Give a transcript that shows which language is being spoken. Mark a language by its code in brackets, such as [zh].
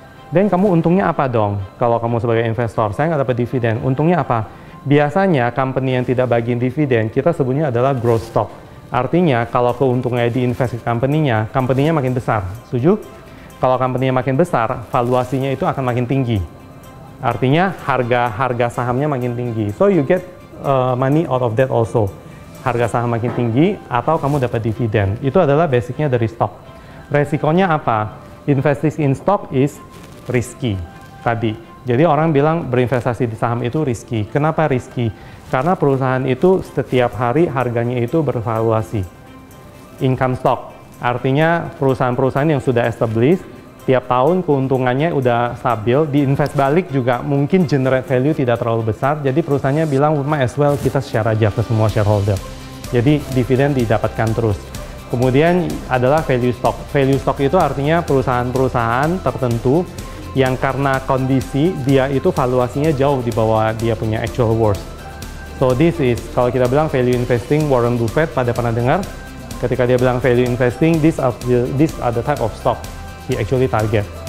[id] Dan kamu untungnya apa dong kalau kamu sebagai investor? Saya nggak dapat dividen. Untungnya apa? Biasanya company yang tidak bagiin dividen, kita sebutnya adalah growth stock. Artinya kalau keuntungannya diinvest ke company-nya, company-nya makin besar. Setuju? Kalau company-nya makin besar, valuasinya itu akan makin tinggi. Artinya harga sahamnya makin tinggi. [en] So you get money out of that also. [id] Harga saham makin tinggi atau kamu dapat dividen. Itu adalah basicnya dari stock. Resikonya apa? [en] Investing in stock is risky tadi. [id] Jadi orang bilang berinvestasi di saham itu risky. Kenapa risky? Karena perusahaan itu setiap hari harganya itu bervaluasi. Income stock, artinya perusahaan-perusahaan yang sudah established, tiap tahun keuntungannya udah stabil, diinvest balik juga mungkin generate value tidak terlalu besar, jadi perusahaannya bilang, as well kita share aja ke semua shareholder. Jadi dividen didapatkan terus. Kemudian adalah value stock. Value stock itu artinya perusahaan-perusahaan tertentu yang karena kondisi dia itu valuasinya jauh di bawah dia punya actual worth. [en] So this is, [id] kalau kita bilang value investing, Warren Buffett pada pernah dengar? Ketika dia bilang [en] value investing, these are the type of stock he actually target.